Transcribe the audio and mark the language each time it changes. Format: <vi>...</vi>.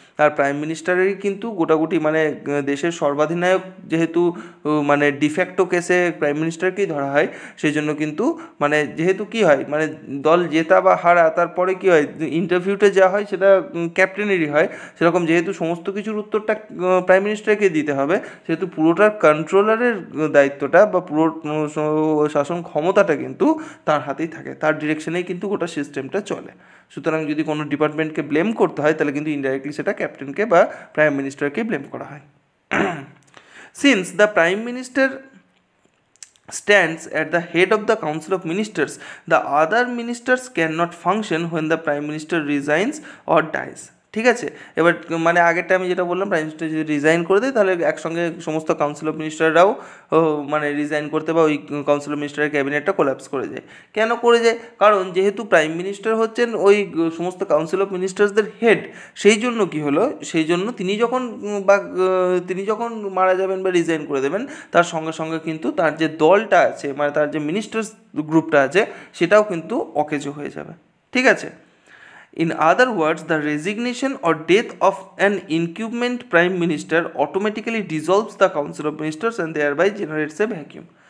<bn>আর prime মিনিস্টারেরই কিন্তু গোটাগুটি, মানে দেশের সর্বাধিনায়ক যেহেতু, মানে ডিফ্যাক্টো কেসে প্রাইম মিনিস্টারকেই ধরা হয়, সেই জন্য কিন্তু মানে যেহেতু কি হয় মানে দল জেতা বা হারা তারপরে কি হয় ইন্টারভিউটা যা হয় সেটা ক্যাপ্টেনেরই হয়, সেরকম যেহেতু সমস্ত কিছুর উত্তরটা প্রাইম মিনিস্টারকে দিতে হবে সেহেতু পুরোটার কন্ট্রোলারের দায়িত্বটা বা পুরো শাসন ক্ষমতাটা কিন্তু তার হাতেই থাকে, তার ডিরেকশনেই কিন্তু গোটা সিস্টেমটা চলে। সুতরাং যদি কোনো ডিপার্টমেন্টকে ব্লেম করতে হয় তাহলে কিন্তু ইনডাইরেক্টলি সেটা ক্যাপ্টেনকে বা প্রাইম মিনিস্টারকে ব্লেম করা হয়।</bn> <en>Since the prime minister stands at the head of the council of ministers, the other ministers cannot function when the prime minister resigns or dies.</en> <bn>ঠিক আছে, এবার মানে আগের টাইমে যেটা বললাম, প্রাইম মিনিস্টার যদি রিজাইন করে দেয় তাহলে একসঙ্গে সমস্ত কাউন্সিল অফ মিনিস্টাররাও মানে রিজাইন করতে বা ওই কাউন্সিল অফ মিনিস্টারের ক্যাবিনেটটা কোলাপস করে যায়। কেন করে যায়? কারণ যেহেতু প্রাইম মিনিস্টার হচ্ছেন ওই সমস্ত কাউন্সিল অফ মিনিস্টার্সদের হেড, সেই জন্য কি হলো, সেই জন্য তিনি যখন বা তিনি যখন মারা যাবেন বা রিজাইন করে দেবেন তার সঙ্গে সঙ্গে কিন্তু তার যে দলটা আছে মানে তার যে মিনিস্টার্স গ্রুপটা আছে সেটাও কিন্তু অকেজো হয়ে যাবে। ঠিক আছে,</bn> <en>In other words, the resignation or death of an incumbent prime minister automatically dissolves the council of ministers and thereby generates a vacuum.</en>